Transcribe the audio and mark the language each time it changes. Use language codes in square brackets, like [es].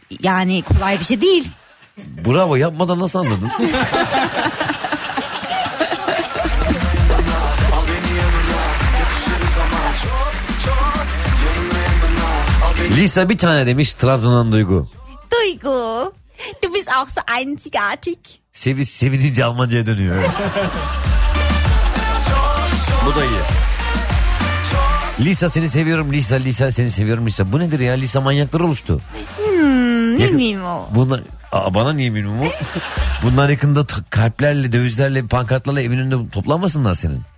[tr] Yani kolay bir şey değil. Bravo, yapmadan nasıl anladın? Lisa bir tane demiş, Trabzon'dan Duygu. [de] Duygu, du bist auch so einzigartig. [tr] Sevinince Almanca'ya dönüyor. Bu da iyi. Lisa seni seviyorum, Lisa, Lisa seni seviyorum, Lisa. Bu nedir ya, Lisa manyaklar oluştu. Ne miyim o? Bunlar... Bana niye bilmiyorum bu? Bunlar yakında kalplerle, dövizlerle, pankartlarla evin önünde toplanmasınlar senin.